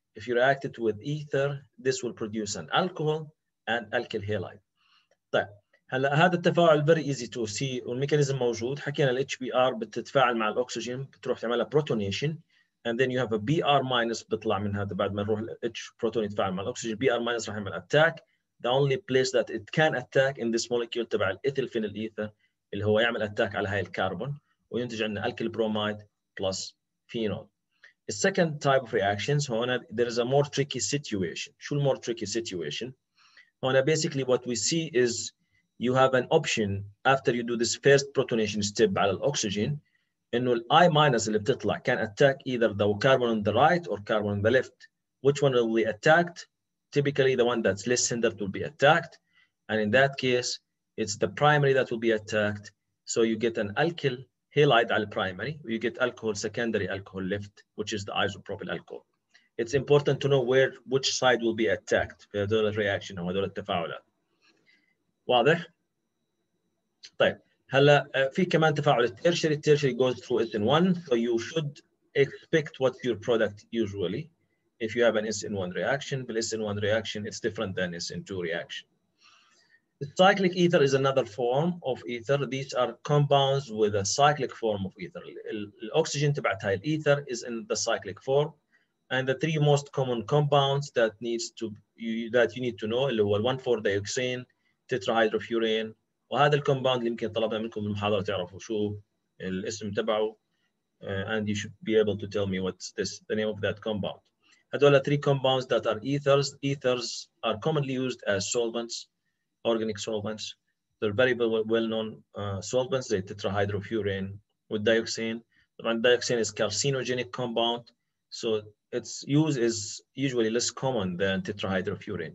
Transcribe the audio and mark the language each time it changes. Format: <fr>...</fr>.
<en>If you react it with ether, this will produce an alcohol and alkyl halide.</en> <ar>طيب هلا هذا التفاعل</ar> <en>very easy to see</en> <ar>والميكانيزم موجود. حكينا ال HBr بتتفاعل مع الأكسجين بتروح تعملها</ar> <en>protonation and then you have a Br minus</en> <ar>بطلع من هذا بعد ما نروح ال H proton يتفاعل مع الأكسجين Br minus راح يعمل attack.</ar> <en>The only place that it can attack in this molecule</en> <ar>تبع الإيثيل فينيل إيثر اللي هو يعمل attack على هاي الكربون وينتج عنا</ar> <en>alkyl bromide plus phenol. The second type of reactions هنا there is a more tricky situation. شو more tricky situation؟ هنا basically what we see is you have an option after you do this first protonation step</en> <ar>على الأكسجين إنه ال</ar> <en>I minus</en> <ar>اللي بتطلع</ar> <en>can attack either the carbon on the right or carbon on the left. Which one will be attacked? Typically the one that's less centered will be attacked, and in that case it's the primary that will be attacked. So you get an alkyl halide على primary, you get alcohol secondary alcohol left, which is the isopropyl alcohol. It's important to know where which side will be attacked</en> <ar>في هذول الرياكشن أو هذول التفاعلات. واضح؟ طيب هلا في كمان تفاعل التيرشري.</ar> <en>التيرشري goes through SN1, so you should expect what's your product usually. If you have an SN1 reaction, but SN1 reaction it's different than SN2 reaction. The cyclic ether is another form of ether. These are compounds with a cyclic form of ether. The oxygen</en> <ar>تبعت هاي الإيثر</ar> <en>is in the cyclic form. And the three most common compounds that needs to that you need to know</en> <ar>اللي هو</ar> <en>1,4 dioxane, tetrahydrofurane.</en> <ar>وهذا الكومباوند اللي يمكن طلبنا منكم بالمحاضرة تعرفوا شو الاسم تبعه.</ar> <en>And you should be able to tell me what's this the name of that compound. هذول three compounds that are ethers. Ethers are commonly used as solvents, organic solvents. They're very well-known solvents, the tetrahydrofurane with dioxane. And dioxane is carcinogenic compound, so its use is usually less common than tetrahydrofurane.</en>